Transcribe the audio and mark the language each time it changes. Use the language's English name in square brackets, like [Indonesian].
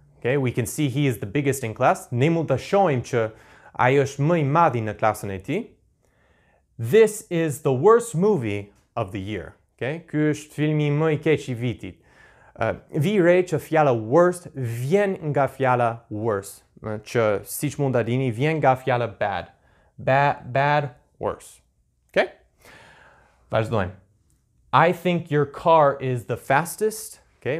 [English] Okay, we can see he is the biggest in class. [Albanian] Ne mund të shohim që ai është më I madhi në klasën e ti. [English] This is the worst movie of the year. [Albanian] Okay, ky është filmi më I keq I vitit. Vi re që fjala worst vjen nga fjala worse. Që, si që mund të dini, vjen nga fjala bad. [English] Bad, worse. Okay? [Albanian] Vazhdojmë. [English] I think your car is the fastest. Okay?